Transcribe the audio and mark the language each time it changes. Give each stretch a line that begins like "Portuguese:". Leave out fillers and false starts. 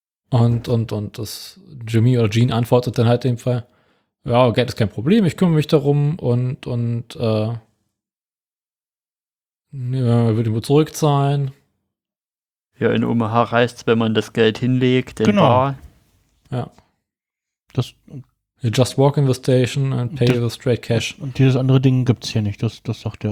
German: Und das Jimmy oder Jean antwortet dann halt in dem Fall, ja, Geld ist kein Problem, ich kümmere mich darum und würde wohl zurückzahlen. Ja, in Omaha reicht's, wenn man das Geld hinlegt, in genau. Bar. Ja.
English: You just walk in the station and pay with straight cash.
German: Und dieses andere Ding gibt's hier nicht, das sagt er.